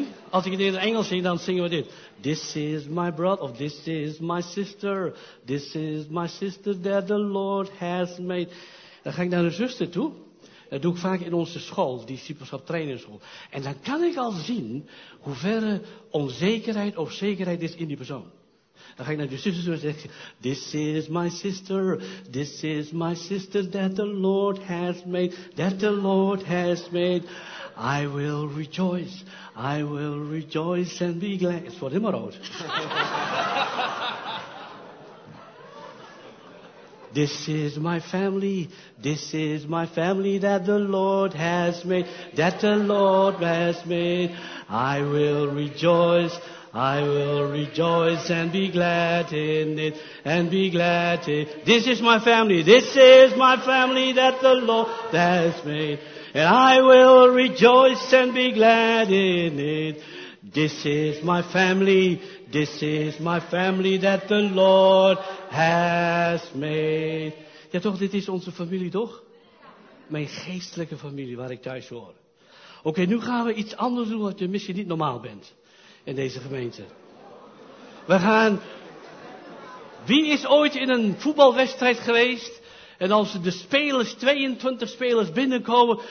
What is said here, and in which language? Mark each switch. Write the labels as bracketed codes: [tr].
[nl] Als ik het in het Engels zing, dan zingen we dit. [en] This is my brother, of this is my sister. This is my sister that the Lord has made. [nl] Dan ga ik naar een zuster toe. Dat doe ik vaak in onze school, discipleschap trainingsschool. En dan kan ik al zien hoe verre onzekerheid of zekerheid is in die persoon. Dan ga ik naar de zuster toe en zeg, [en] this is my sister. This is my sister that the Lord has made. That the Lord has made. I will rejoice. I will rejoice and be glad. [nl] Het wordt helemaal rood. [en] This is my family. This is my family that the Lord has made. That the Lord has made. I will rejoice. I will rejoice and be glad in it. And be glad in it. This is my family. This is my family that the Lord has made. And I will rejoice and be glad in it. This is my family. This is my family that the Lord has made. [nl] Ja toch, dit is onze familie toch? Mijn geestelijke familie waar ik thuis hoor. Oké, nu gaan we iets anders doen wat je misschien niet normaal bent. In deze gemeente. We gaan... Wie is ooit in een voetbalwedstrijd geweest... En als de spelers, 22 spelers binnenkomen.